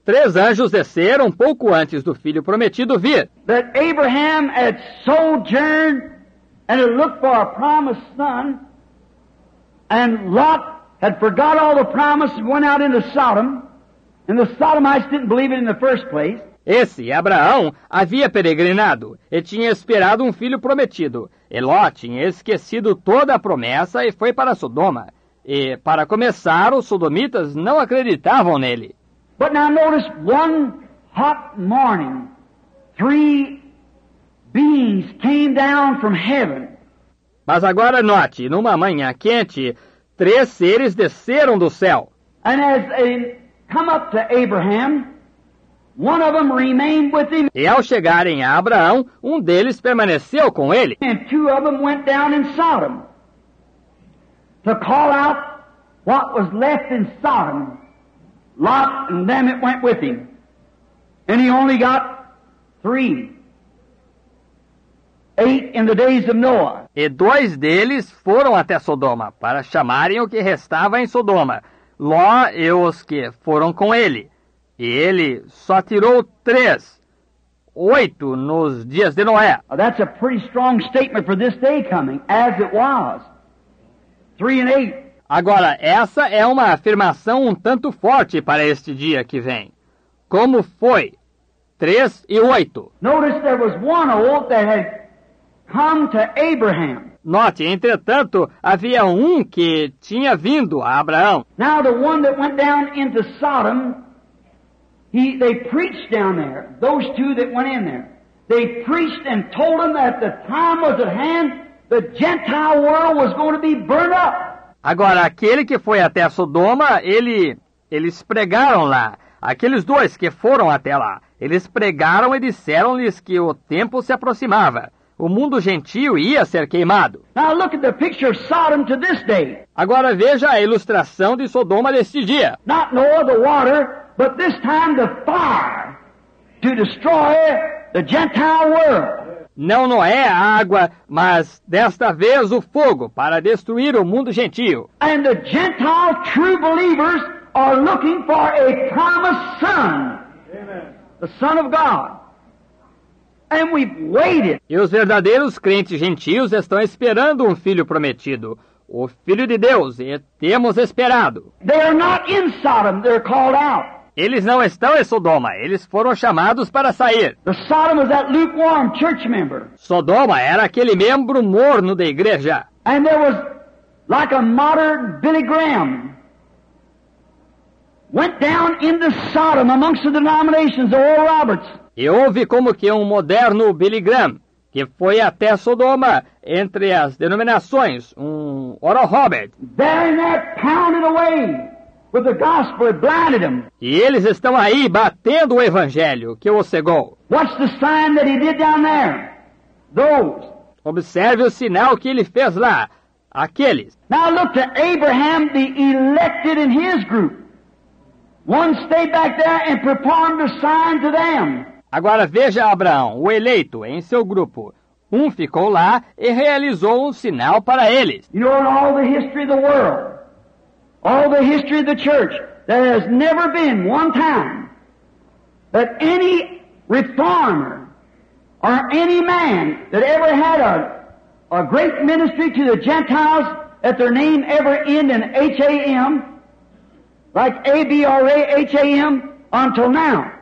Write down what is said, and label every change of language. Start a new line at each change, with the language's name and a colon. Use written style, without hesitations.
Portuguese: Três anjos desceram pouco antes do filho prometido vir.
English: That Abraham had sojourned and had looked for a promised son, and Lot had forgot all the promises, went out into Sodom, and the Sodomites didn't believe it in the first place.
Portuguese: Esse Abraão havia peregrinado e tinha esperado um filho prometido. E Ló tinha esquecido toda a promessa e foi para Sodoma. E para começar, os sodomitas não acreditavam nele.
English: But now notice one hot morning, three beings came down from heaven.
Portuguese: Mas agora note, numa manhã quente, três seres desceram do céu.
English: And as they come up to Abraham, one of them remained with him.
Portuguese: E ao chegarem a Abraão, um deles permaneceu com ele.
English: And two of them went down in Sodom to call out what was left in Sodom. Lot and them it went with him. And he only got three. 8 in the days of Noah.
Portuguese: E dois deles foram até Sodoma para chamarem o que restava em Sodoma, Ló e os que foram com ele. E ele só tirou 3, 8 nos dias de Noé.
English: That's a pretty strong statement for this day coming, as it was. 3 and 8.
Portuguese: Agora, essa é uma afirmação um tanto forte para este dia que vem. Como foi? 3 e 8.
English: Notice there was one old that had come to Abraham.
Portuguese: Note, entretanto, havia um que tinha vindo a Abraão.
English: Now the one that went down into Sodom, they preached down there, those two that went in there. They preached and told them that the time was at hand, the Gentile world was going to be burned up.
Portuguese: Agora, aquele que foi até Sodoma, eles pregaram lá. Aqueles dois que foram até lá, eles pregaram e disseram-lhes que o tempo se aproximava. O mundo gentil ia ser queimado.
English: Now look at the picture of Sodom to this day.
Portuguese: Agora veja a ilustração de Sodoma deste dia.
English: Not Noah, the water, but this time the fire to destroy the Gentile world.
Portuguese: Não Noé a água, mas desta vez o fogo para destruir o mundo gentil.
English: And the Gentile true believers are looking for a promised son. Amen. The Son of God. And we've waited.
Portuguese: E os verdadeiros crentes gentios estão esperando um filho prometido, o Filho de Deus, e temos esperado.
English: They are not in Sodom, they're called out.
Portuguese: Eles não estão em Sodoma, eles foram chamados para sair.
English: The Sodom is that lukewarm church member.
Portuguese: Sodoma era aquele membro morno da igreja.
English: And there was like a modern Billy Graham. Went down into Sodom amongst the denominations of Oral Roberts.
Portuguese: E houve como que um moderno Billy Graham, que foi até Sodoma, entre as denominações, um Oral Robert.
English: There and there pounded away with the gospel, it blinded him.
Portuguese: E eles estão aí batendo o evangelho, que o cegou.
English: Watch the sign that he did down there. Those.
Portuguese: Observe o sinal que ele fez lá, aqueles.
English: Now look to Abraham, the elected in his group. One stayed back there and performed a sign to them.
Portuguese: Agora veja Abraão, o eleito, em seu grupo. Um ficou lá e realizou um sinal para eles.
English: You know, in all the history of the world, all the history of the church, there has never been one time that any reformer or any man that ever had a great ministry to the Gentiles that their name ever end in H-A-M, like A-B-R-A-H-A-M, until now.